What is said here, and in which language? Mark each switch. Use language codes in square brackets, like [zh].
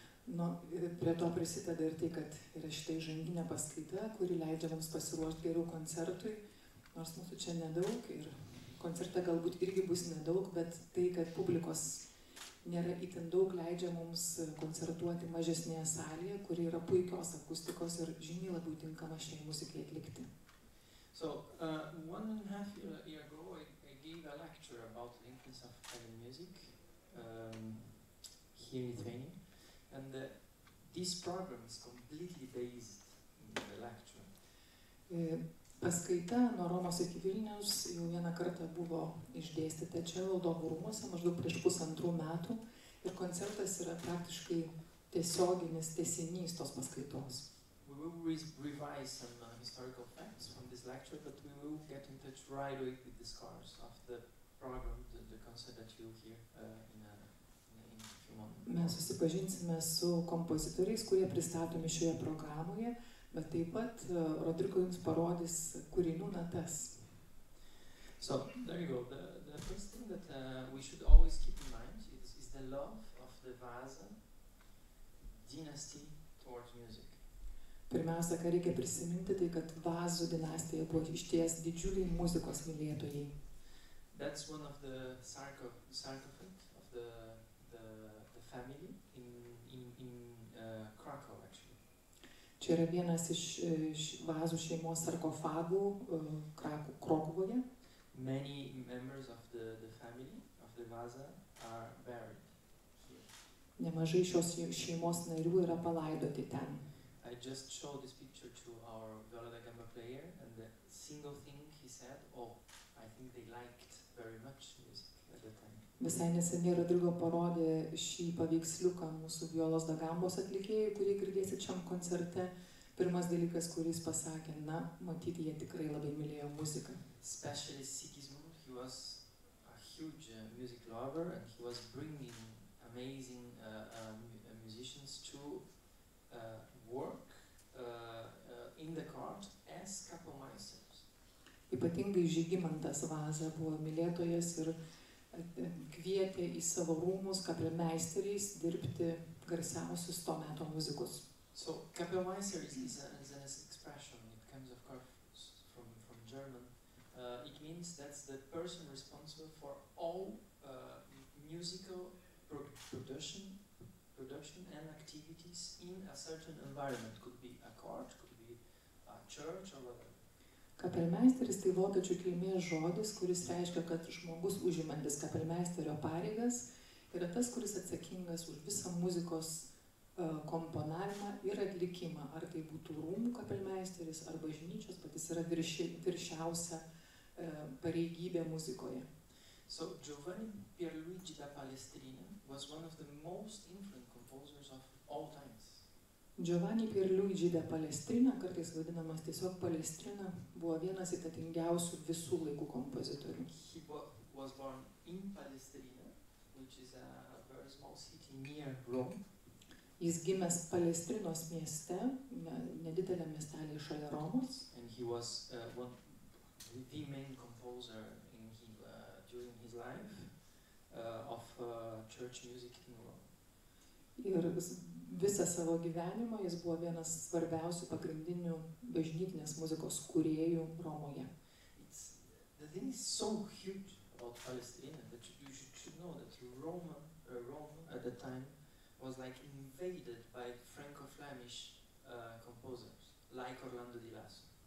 [lt] Nu, prie to prisideda ir tai, kad yra šita įžanginė paskaita, kuri leidžia mums pasiruošti geriau koncertui, nors mūsų čia nedaug ir koncerte galbūt irgi bus nedaug, bet tai, kad publikos nėra itin daug, leidžia mums koncertuoti mažesnėje salėje, kuri yra puikios akustikos ir žymiai labiau tinkama šiai muzikai atlikti. [en] So, one and a half year ago, I gave a lecture about the influence of Italian music here in Lithuania. And this program is completely based in the lecture. [lt] Paskaita nuo Romos iki Vilniaus jau vieną kartą buvo išdėstyta čia valdovų rūmuose, maždaug prieš pusantrų metų. Ir koncertas yra praktiškai tiesioginis tesinys tos paskaitos. [en] We will revise some historical facts from this lecture, but we will get in touch right away with the scores of the program, the concert that you'll hear in a few moments. [lt] Mes susipažinsime su kompozitoriais, kurie pristatomi šioje programoje, bet taip pat Rodrigo jums parodys kūrinių natas. [en] So, there you go. The first thing that we should always keep in mind is the love of the Vasa dynasty towards music. [lt] Pirmiausia, ką reikia prisiminti, tai kad Vazų dinastija buvo išties didžiuliai muzikos mylėtojai. [en] That's one of the sarcophag of the family in Krakow actually. [lt] Čia yra vienas iš Vazų šeimos sarkofagų Krokuvoje. [en] Many members of the family of the Vaza are buried here. [lt] Nemažai šios šeimos narių yra palaidoti ten. [en] I just showed this picture to our viola da gamba player and the single thing he said, oh, I think they liked very much music at the time. [lt] Visai neseniai Rodrigo parodė šį paveiksliuką mūsų violos da gambos atlikėjai, kurį girdėsit šiam koncerte. Pirmas dalykas, kuris pasakė, na, matyti, jie tikrai labai mylėjo muziką. [en] Especially Sigismund, he was a huge music lover and he was bringing amazing musicians to work in the court as kapelmeisters. [lt] Ypatingai Žygimantas Vaza buvo mylėtojas ir kvietė į savo rūmus kapelmeisteriais dirbti garsiausius to meto muzikus. [en] So kapelmeister is an expression. It comes of course from German. It means that's the person responsible for all musical production and activities in a certain environment. Could be a court, could be a church or whatever. [lt] Kapelmeisteris tai vokiečių kilmės žodis, kuris reiškia, kad žmogus užimantis kapelmeisterio pareigas yra tas, kuris atsakingas už visą muzikos komponavimą ir atlikimą. Ar tai būtų rūmų kapelmeisteris ar bažnyčios, bet jis yra viršiausia pareigybė muzikoje. [en] So Giovanni Pierluigi da Palestrina was one of the most influential composers of all times. [lt] Giovanni Pierluigi da Palestrina, kartais vadinamas tiesiog Palestrina, buvo vienas įtakingiausių visų laikų kompozitorių. [en] He was born in Palestrina, which is a very small city near Rome. [lt] Jis gimęs Palestrinos mieste, nedidelė miestelė šalia Romos. [en] And he was one the main composer during his life of church music in Rome. [lt] Ir visą savo gyvenimą jis buvo vienas svarbiausių pagrindinių bažnytinės muzikos kūrėjų Romoje. [en] The thing is so huge about Palestrina that you should know that Rome at the time was like invaded by Franco-Flemish composers like Orlando di Lasso.